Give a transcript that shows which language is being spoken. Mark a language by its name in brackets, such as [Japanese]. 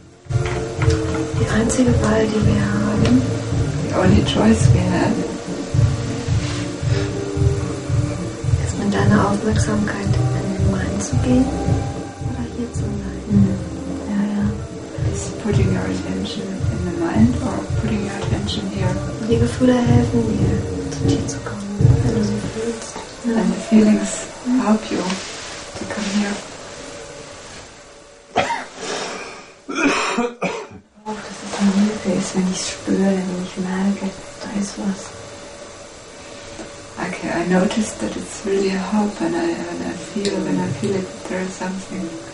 [German] Die einzige Wahl, die wir haben. [English] The only choice we have. [German] Deine Aufmerksamkeit in den Mind zu gehen oder hier zu bleiben. Mm. Ja, ja. [English] Is putting your attention in the mind or putting your attention here? [German] Die Gefühle helfen dir, zu dir zu kommen, wenn du sie fühlst. Ja. [English] And the feelings help you to come here. [German] Auch dass es eine Hilfe ist, wenn ich es spüre, wenn ich merke, da ist was. [English] Okay, I noticed that it's really a help when I feel it, there is something.